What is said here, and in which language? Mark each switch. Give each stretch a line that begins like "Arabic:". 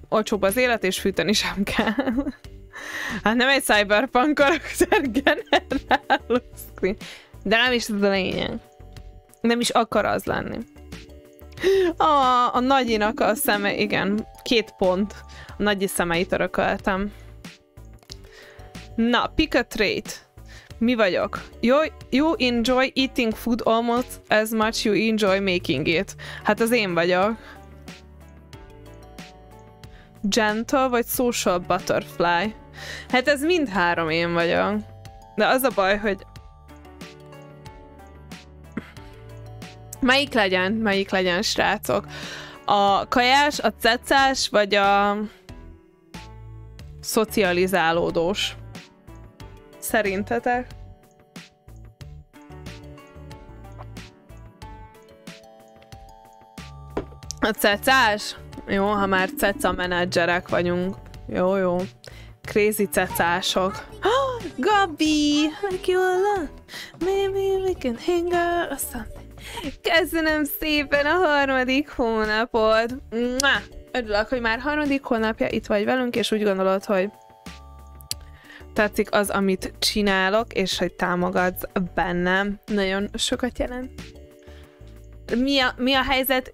Hungarian: Olcsóbb az élet, és fűteni sem kell. Hát nem egy cyberpunk karakter generálózni. De nem is tud a lényeg. Nem is akar az lenni. A nagyinak a szeme, igen, két pont. A nagyi szemeit örököltem. Na,
English: pick a trait.
Hungarian: Mi vagyok?
English: You enjoy eating food almost as much you enjoy making it.
Hungarian: Hát az én vagyok.
English: Gentle
Hungarian: vagy
English: social butterfly.
Hungarian: Hát ez mind három én vagyok. De az a baj, hogy... Melyik legyen, srácok? A kajás, a cecás, vagy a... szocializálódós? Szerintetek? A cecás? Jó, ha már ceca menedzserek vagyunk. Jó.
English: Crazy
Hungarian: cecások.
English: Oh, Gabi! Like you alone. Maybe we can hang out or something.
Hungarian: Köszönöm szépen a harmadik hónapod. Mwah! Örülök, hogy már harmadik hónapja itt vagy velünk, és úgy gondolod, hogy tetszik az, amit csinálok, és hogy támogatsz bennem. Nagyon sokat jelent. Mi a helyzet?